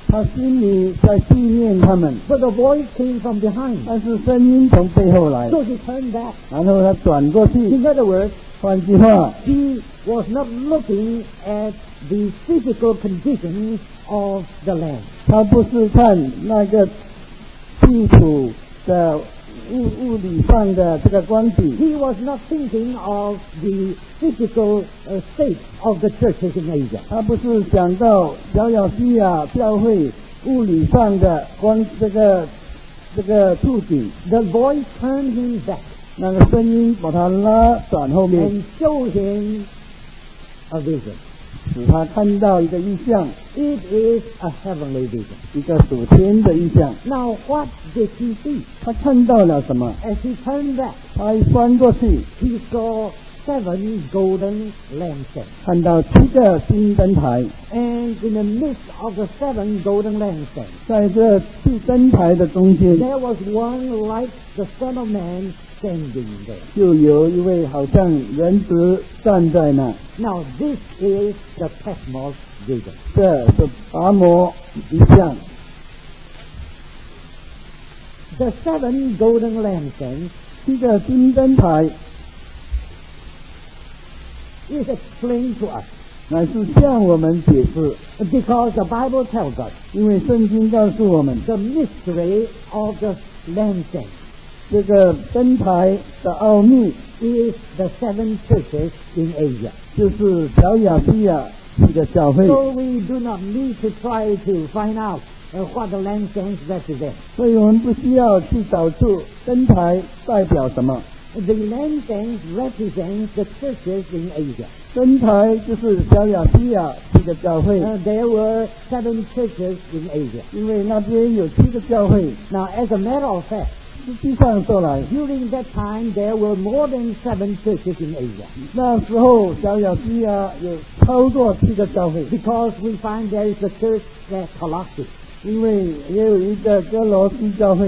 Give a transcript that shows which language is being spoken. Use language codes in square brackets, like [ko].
[zh] 他心里在纪念他们。 [en] But the voice came from behind. [zh] 但是声音从背后来。 [en] So he turned back. [zh] 然后他转过去。 [en] In other words, [zh] 换句话 [en] he was not looking at the physical conditions of the land. [zh] 他不是看那个地土的物理上的这个光景。 [en] He was not thinking of the physical state of the churches in Asia. [zh] 他不是想到小亚细亚教会物理上的光这个处境。 [en] The voice turned him back. [zh] 那个声音把他拉转后面 [en] and show him a vision [zh] 使他看到一个意象 [en] it is a heavenly vision [zh] 一个属天的意象 [en] now what did he see [zh] 他看到了什么 [en] as he turned back [zh] 他一翻过去 [en] he saw seven golden lampstands [zh] 看到七个金灯台 [en] and in the midst of the seven golden lampstands [zh] 在这七灯台的中间 [en] there was one like the son of manStanding there. [zh] 就有一位好像人子站在那。 [en] Now this is the Patmos vision. [zh] 这是拔摩意象。 [en] The seven golden lampstands, [zh] 七个金灯台, [en] is explained to us. [zh] 乃是向我们解释。 [en] Because the Bible tells us, [zh] 因为圣经告诉我们, [en] the mystery of the lampstands. [zh] 这个灯台的奥秘 [en] is the seven churches in Asia [zh] 就是小亚细亚这个教会 [en] so we do not need to try to find out what the lampstands represent [zh] 所以我们不需要去找出灯台代表什么 [en] The lanterns represent the churches in Asia. [zh] 灯台就是小亚细亚七个教会。 [en] There were seven churches in Asia. [zh] 因为那边有七个教会。 [en] Now, as a matter of fact, [zh] 实际上说来 [en] during that time there were more than seven churches in Asia. [zh] 那时候小亚细亚有超过七个教会。 [en] Because we find there is a church at Colossae. [zh] 因为也有一个哥罗西教会。